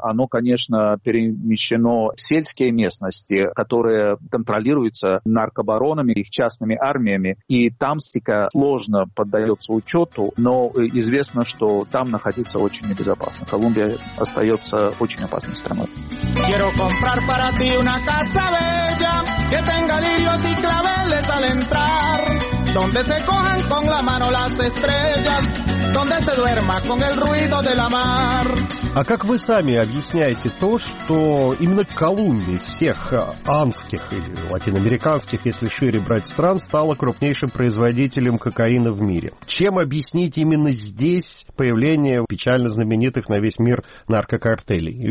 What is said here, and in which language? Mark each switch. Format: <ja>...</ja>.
<ru>Оно, конечно, перемещено в сельские местности, которые контролируются наркобаронами, их частными армиями. И там стика сложно поддается учету, но известно, что там находиться очень небезопасно. Колумбия остается очень опасной страной.</ru> <es>Quiero comprar para ti una casa bella, que tenga lirios y claveles al entrar. Donde se cojan con la mano las estrellas, donde se duerma con el ruido de la mar.</es> <ru>А как вы сами объясняете то, что именно Колумбия из всех андских или латиноамериканских, если шире брать стран, стала крупнейшим производителем кокаина в мире? Чем объяснить именно здесь появление печально знаменитых на весь мир наркокартелей?</ru>